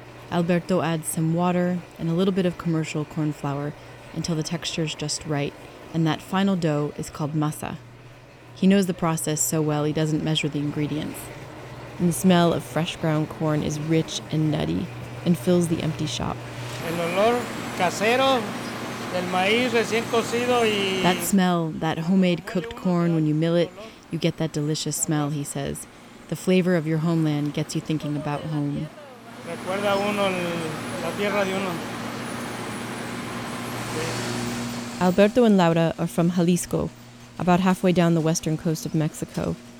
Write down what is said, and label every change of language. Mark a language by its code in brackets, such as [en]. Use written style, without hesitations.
[en] Alberto adds some water and a little bit of commercial corn flour until the texture is just right, and that final dough is called masa. He knows the process so well he doesn't measure the ingredients. And the smell of fresh ground corn is rich and nutty and fills the empty shop. [es] El olor casero del maíz recién cocido y... [en] That smell, that homemade cooked corn, when you mill it, you get that delicious smell, he says. The flavor of your homeland gets you thinking about home. [es] Recuerda uno la tierra de uno. [en] Alberto and Laura are from Jalisco, about halfway down the western coast of Mexico.